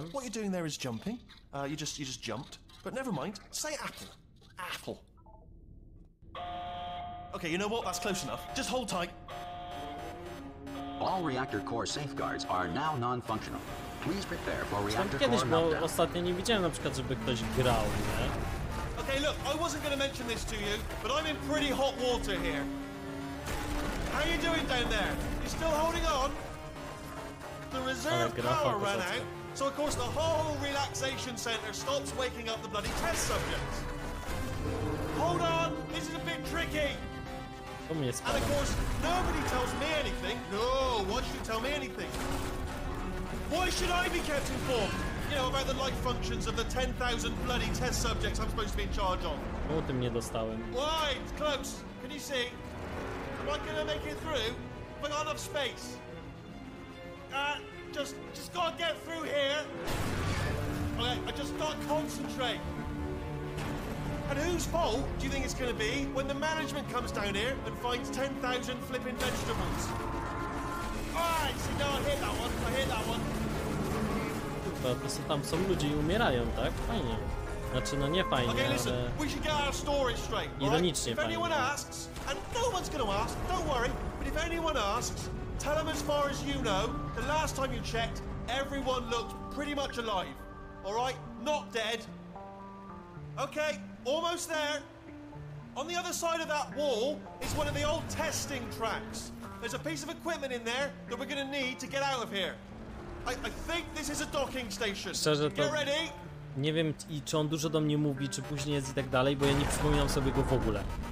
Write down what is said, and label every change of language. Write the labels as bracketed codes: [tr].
[en] Okay, what you're doing there is jumping. You just jumped. But never mind. Say apple. Apple. Okay, you know what? That's close enough. Just hold tight. All reactor core safeguards are now non-functional. Please prepare for reactor core meltdown. [pl] Kiedyś, bo ostatnio nie widziałem na przykład, żeby ktoś grał, nie? [en] Okay, look, I wasn't gonna mention this to you, but I'm in pretty hot water here. How you doing down there? You still holding on? The reserve power ran out, so of course the whole relaxation center stops waking up the bloody test subjects. Hold on, this is a bit tricky. And of course, nobody tells me anything. No, why should you tell me anything? Why should I be kept informed? You know, about the life functions of the 10,000 bloody test subjects I'm supposed to be in charge of. [pl] No, tym nie dostałem. [en] Why? It's close. Can you see? Am I gonna make it through? I've got enough space. Just gotta get through here. Okay, I just gotta concentrate. And whose fault do you think it's gonna be when the management comes down here and finds 10,000 flipping vegetables? Alright, see, now I hear that one. [pl] To są tam są ludzie i umierają, tak? Fajnie. Znaczy, no nie fajnie, [en] okay, listen, [pl] ale... [en] we should get our story straight, right? [pl] Ironicznie [en] if [pl] fajnie. [en] If anyone asks, and no one's gonna ask, don't worry, but if anyone asks, tell them as far as you know, the last time you checked, everyone looked pretty much alive. Alright? Not dead. Okay, almost there. On the other side of that wall is one of the old testing tracks. There's a piece of equipment in there that we're gonna need to get out of here. I think this is a docking station. [pl] Szczerze, [en] get ready. [pl] Nie wiem, czy on dużo do mnie mówi, czy później jest i tak dalej, bo ja nie przypominam sobie go w ogóle.